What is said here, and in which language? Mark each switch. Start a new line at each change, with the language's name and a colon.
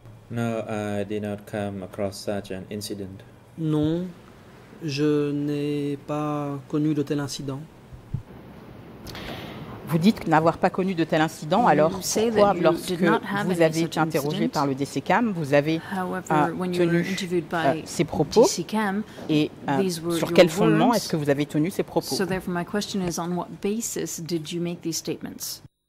English: No, I did not come across such an incident.
French: Non, je n'ai pas connu de tel incident. Vous dites n'avoir pas connu de tel incident, alors pourquoi, lorsque vous avez été interrogé par le DCCAM, vous avez tenu ces propos, et sur quel fondement est-ce que vous avez tenu ces propos?
English: So therefore, my question is, on what basis did you make these statements?